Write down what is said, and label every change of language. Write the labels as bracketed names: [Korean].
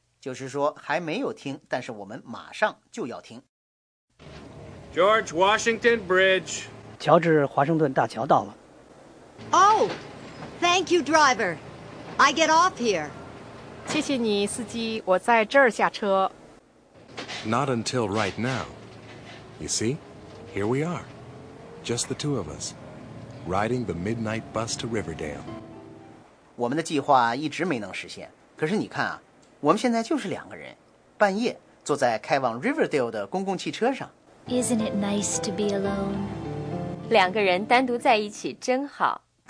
[Chinese] 就是说还没有听，但是我们马上就要听。 [English] George Washington Bridge。 [Chinese] 乔治华盛顿大桥到了。 [English] Oh, thank you, driver. I get off here. [Chinese] 谢谢你，司机，我在这儿下车。 [English] Not until right now. You see, here we are, just the two of us, riding the midnight bus to Riverdale. [Chinese] 我们的计划一直没能实现，可是你看啊，我们现在就是两个人，半夜坐在开往 Riverdale 的公共汽车上。 [English] Isn't it nice to be alone? [Chinese] 两个人单独在一起真好。